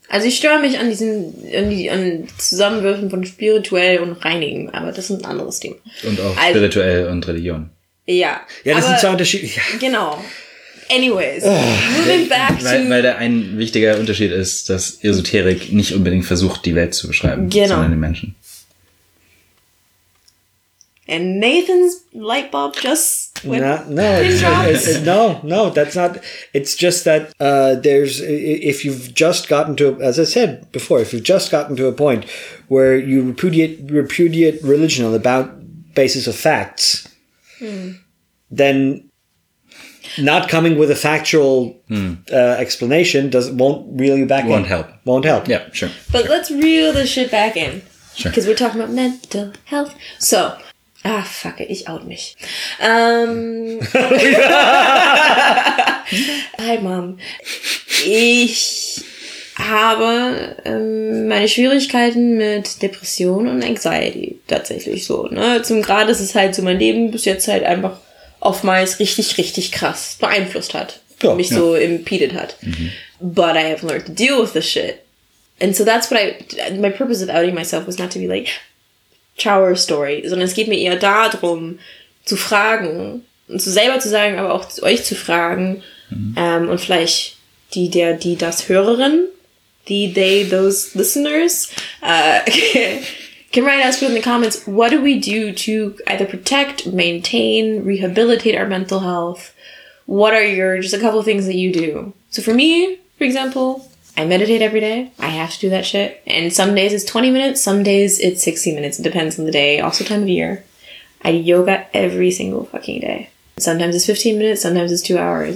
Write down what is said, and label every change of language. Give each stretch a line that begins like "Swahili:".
German: Also ich störe mich an diesen an Zusammenwürfen von spirituell und reinigen, aber das ist ein anderes Thema. Und auch spirituell und Religion. Ja. Ja, das sind zwei unterschiedliche. Genau.
English: Anyways, moving back
German: Weil da ein wichtiger Unterschied ist, dass Esoterik nicht unbedingt versucht, die Welt zu beschreiben, genau, sondern den Menschen.
English: And Nathan's light bulb just went. It's just that there's, if you've just gotten to, as I said before, if you've just gotten to a point where you repudiate religion on the basis of facts, then not coming with a factual explanation won't reel you back. Won't help. Yeah, sure. But sure. Let's reel this shit back in. Sure. Because we're talking about mental health. So. Ah, fuck it,
German: ich out mich.
English: Hi, Mom.
German: Ich habe meine Schwierigkeiten mit Depression und Anxiety tatsächlich so. Ne? Zum Grad, dass es halt so mein Leben bis jetzt halt einfach oftmals richtig, richtig krass beeinflusst hat. Ja, mich so impeded hat. Mhm.
English: But I have learned to deal with the shit. And so that's what my purpose of outing myself was not to be like...
German: Trauer Story, sondern es geht mir eher darum, zu fragen und zu selber zu sagen, aber auch zu euch zu fragen, und vielleicht die Hörerin,
English: those listeners, can write us in the comments, what do we do to either protect, maintain, rehabilitate our mental health? What are your, just a couple of things that you do? So for me, for example, I meditate every day. I have to do that shit. And some days it's 20 minutes, some days it's 60 minutes. It depends on the day, also time of year. I do yoga every single fucking day. Sometimes it's 15 minutes, sometimes it's 2 hours.